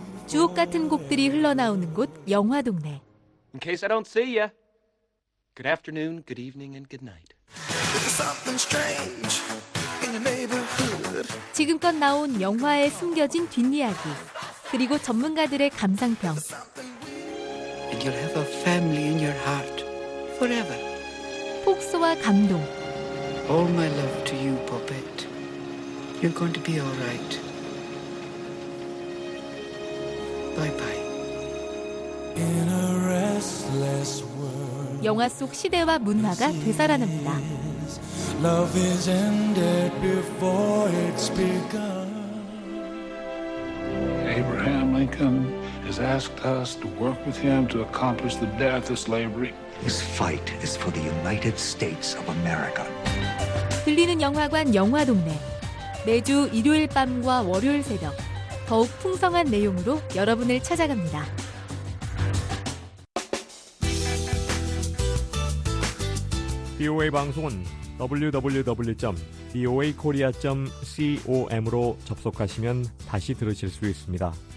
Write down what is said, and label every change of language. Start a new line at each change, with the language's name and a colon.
Korean: 주옥 같은 곡들이 흘러나오는 곳 영화 동네.
English: In case I don't see ya. Good afternoon, good evening and good night. Something strange in the neighborhood.
Korean: 지금껏 나온 영화의 숨겨진 뒷이야기. 그리고 전문가들의 감상평.
English: And you'll have a family in your heart forever.
Korean: 폭소와 감동.
English: All my love to you, puppet. You're going to be all right. Bye bye. In a restless world.
Korean: 영화 속 시대와 문화가 되살아납니다.
English: Love is ended before it's begun. Abraham Lincoln has asked us to work with him to accomplish the death of slavery. This fight is for the United States of America.
Korean: 들리는 영화관 영화 동네. 매주 일요일 밤과 월요일 새벽 더욱 풍성한 내용으로 여러분을 찾아갑니다. 비오에이 방송은 www.boakorea.com으로 접속하시면 다시 들으실 수 있습니다.